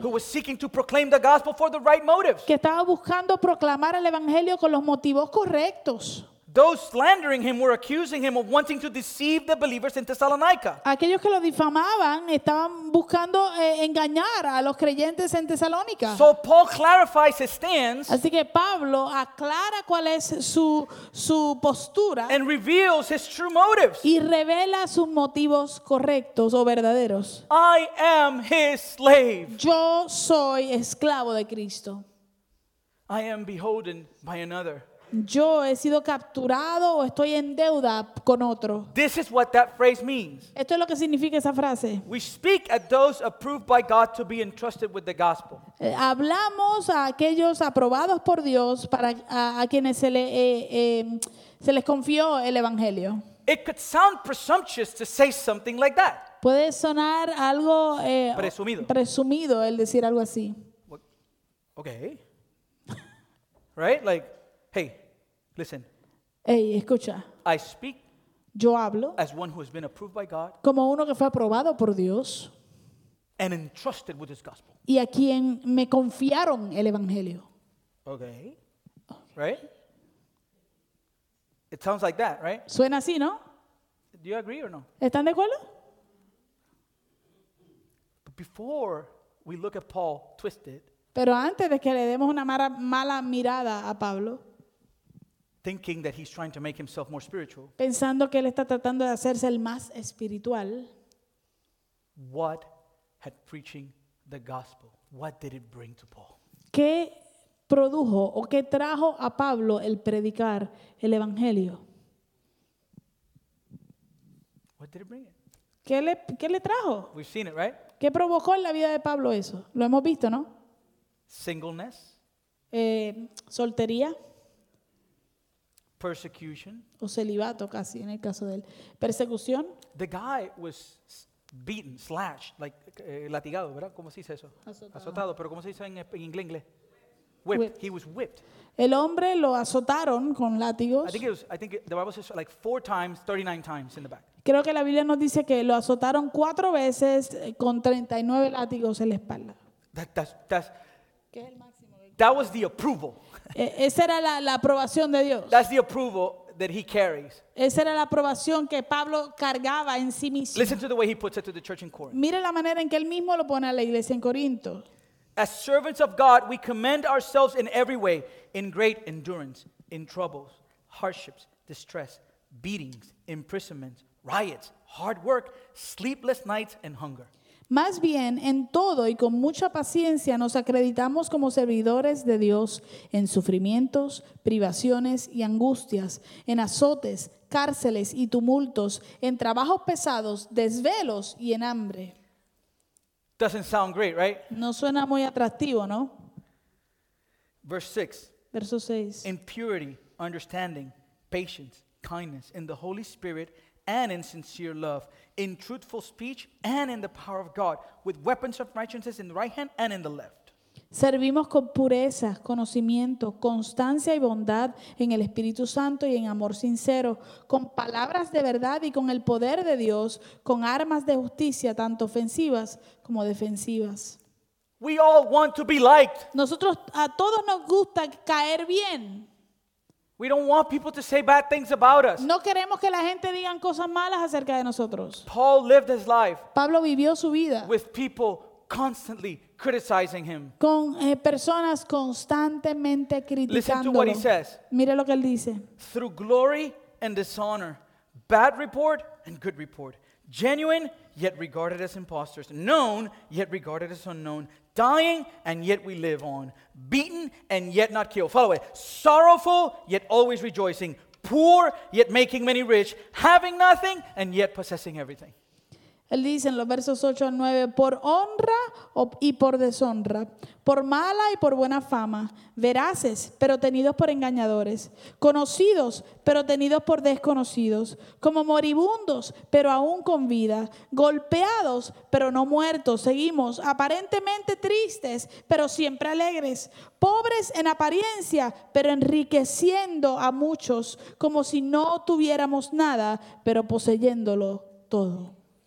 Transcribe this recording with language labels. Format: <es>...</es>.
<en>Who was seeking to proclaim the gospel for the right motives.</en> <es>Que estaba buscando proclamar el evangelio con los motivos correctos.</es> <en>Those slandering him were accusing him of wanting to deceive the believers in Thessalonica.</en> <es>Aquellos que lo difamaban estaban buscando engañar a los creyentes en Tesalónica.</es> <en>So Paul clarifies his stance.</en> <es>Así que Pablo aclara cuál es su postura.</es> <en>And reveals his true motives.</en> <es>Y revela sus motivos correctos o verdaderos.</es> <en>I am his slave.</en> <es>Yo soy esclavo de Cristo.</es> <en>I am beholden by another.</en> <es>Yo he sido capturado o estoy en deuda con otro.</es> <en>This is what that phrase means.</en> <es>Esto es lo que significa esa frase.</es> <en>We speak at those approved by God to be entrusted with the gospel.</en> <es>Hablamos a aquellos aprobados por Dios para a quienes se les confió el evangelio.</es> <en>It could sound presumptuous to say something like that.</en> <es>Puede sonar algo presumido el decir algo así.</es> <en>What? Okay. Right? Like, hey, listen.</en> <es>Hey, escucha.</es> <en>I speak.</en> <es>Yo hablo.</es> <en>As one who has been approved by God.</en> <es>Como uno que fue aprobado por Dios.</es> <en>And entrusted with his gospel.</en> <es>Y a quien me confiaron el evangelio.</es> <en>Okay. Right? It sounds like that, right?</en> <es>Suena así, ¿no?</es> <en>Do you agree or no?</en> <es>¿Están de acuerdo?</es> <en>But before we look at Paul twisted.</en> <es>Pero antes de que le demos una mala mirada a Pablo.</es> <en>Thinking that he's trying to make himself more spiritual.</en> <es>Pensando que él está tratando de hacerse el más espiritual.</es> <en>What had preaching the gospel? What did it bring to Paul?</en> <es>¿Qué produjo o qué trajo a Pablo el predicar el evangelio?</es> <en>What did it bring it?</en> <es>¿Qué le trajo?</es> <en>We've seen it, right?</en> <es>¿Qué provocó en la vida de Pablo eso? Lo hemos visto, ¿no?</es> <en>Singleness.</en> <es>Soltería.</es> <en>Persecution.</en> <es>O celibato casi en el caso de él. Persecución.</es> <en>The guy was beaten, slashed, like</en> <es>latigado, ¿verdad? ¿Cómo se dice eso? Azotado, pero ¿cómo se dice en inglés?</es> <en>Whipped. He was whipped.</en> <es>El hombre lo azotaron con látigos.</es> <en>I think the Bible says like 4 times, 39 times in the back.</en> <es>Creo que la Biblia nos dice que lo azotaron 4 veces con 39 látigos en la espalda.</es> <en>That's</en> <es>¿qué es el máximo?</es> <en>That was the approval.</en> <es>Esa era la aprobación de Dios.</es> <en>That's the approval that he carries.</en> <es>Esa era la aprobación que Pablo cargaba en sí mismo.</es> <en>Listen to the way he puts it to the church in Corinth.</en> <es>Mira la manera en que él mismo lo pone a la iglesia en Corinto.</es> <en>As servants of God, we commend ourselves in every way, in great endurance, in troubles, hardships, distress, beatings, imprisonments, riots, hard work, sleepless nights, and hunger.</en> <es>Más bien, en todo y con mucha paciencia nos acreditamos como servidores de Dios en sufrimientos, privaciones y angustias, en azotes, cárceles y tumultos, en trabajos pesados, desvelos y en hambre.</es> <en>Doesn't sound great, right?</en> <es>No suena muy atractivo, ¿no?</es> <en>Verse 6. In purity, understanding, patience, kindness, in the Holy Spirit, and in sincere love, in truthful speech, and in the power of God, with weapons of righteousness in the right hand and in the left.</en> <es>Servimos con pureza, conocimiento, constancia y bondad en el Espíritu Santo y en amor sincero, con palabras de verdad y con el poder de Dios, con armas de justicia, tanto ofensivas como defensivas.</es> <en>We all want to be liked.</en> <es>Nosotros a todos nos gusta caer bien.</es> <en>We don't want people to say bad things about us.</en> <es>No queremos que la gente digan cosas malas acerca de nosotros.</es> <en>Paul lived his life.</en> <es>Pablo vivió su vida.</es> <en>With people constantly criticizing him.</en> <es>Con personas constantemente criticándolo.</es> <en>Listen to what he says.</en> <es>Mira lo que él dice.</es> <en>Through glory and dishonor, bad report and good report, genuine yet regarded as impostors, known yet regarded as unknown, dying and yet we live on, beaten and yet not killed. Follow it. Sorrowful yet always rejoicing, poor yet making many rich, having nothing and yet possessing everything.</en> <es>Él dice en los versos 8 al 9, por honra y por deshonra, por mala y por buena fama, veraces, pero tenidos por engañadores, conocidos, pero tenidos por desconocidos, como moribundos, pero aún con vida, golpeados, pero no muertos, seguimos, aparentemente tristes, pero siempre alegres, pobres en apariencia, pero enriqueciendo a muchos, como si no tuviéramos nada, pero poseyéndolo todo.</es>